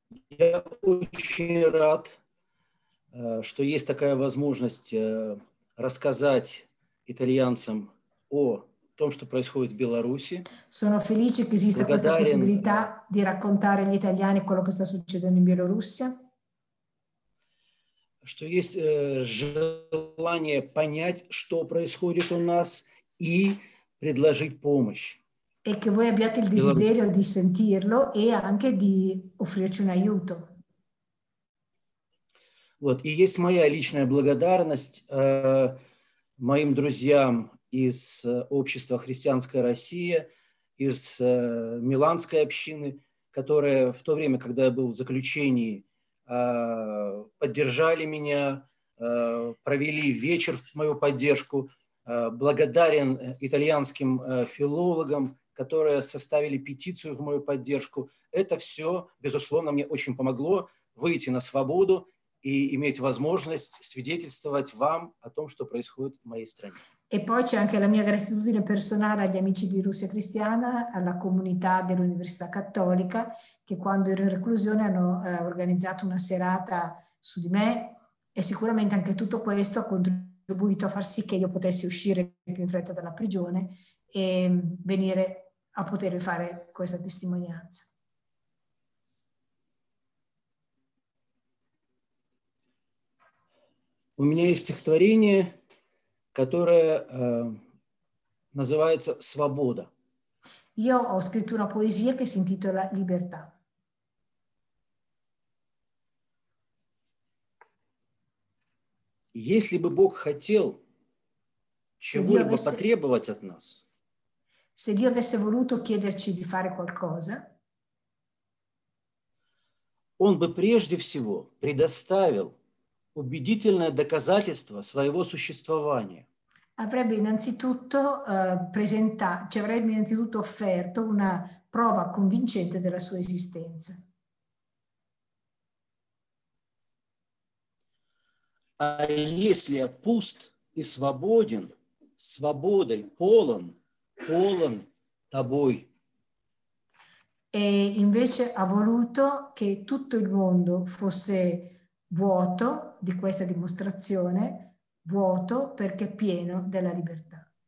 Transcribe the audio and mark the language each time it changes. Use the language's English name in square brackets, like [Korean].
[Russian] Я очень рад, что есть такая возможность рассказать итальянцам о том, что происходит в Беларуси. [Italian] Sono felice che esista questa possibilità di raccontare agli italiani quello che sta succedendo in Bielorussia. [Russian] Что есть желание понять, что происходит у нас, и предложить помощь. [Italian] E che voi abbiate il desiderio di sentirlo e anche di offrirci un aiuto. [Russian] Вот, и есть моя личная благодарность моим друзьям из общества «Христианская Россия», из Миланской общины, которая в то время, когда я был в заключении, поддержали меня, провели вечер в мою поддержку. Благодарен итальянским филологам, которые составили петицию в мою поддержку. Это все, безусловно, мне очень помогло выйти на свободу и иметь возможность свидетельствовать вам о том, что происходит в моей стране. [Italian] E poi c'è anche la mia gratitudine personale agli amici di Russia Cristiana, alla comunità dell'Università Cattolica, che quando ero in reclusione hanno organizzato una serata su di me, e sicuramente anche tutto questo ha contribuito a far sì che io potessi uscire più in fretta dalla prigione e venire a poter fare questa testimonianza. [Russian] У меня есть стихотворение. которая называется «Свобода». [Italian] Io ho scritto una poesia che si intitola Libertà. [Russian] Если бы Бог хотел чего-либо потребовать от нас, [Italian] se Dio avesse voluto chiederci di fare qualcosa, [Russian] он бы прежде всего предоставил убедительное доказательство своего существования. [Italian] Avrebbe innanzitutto ci avrebbe innanzitutto offerto una prova convincente della sua esistenza. [Russian] А если я пуст и свободен, свободой полон, полон тобой. [Italian] E invece ha voluto che tutto il mondo fosse vuoto di questa dimostrazione, vuoto perché pieno della libertà.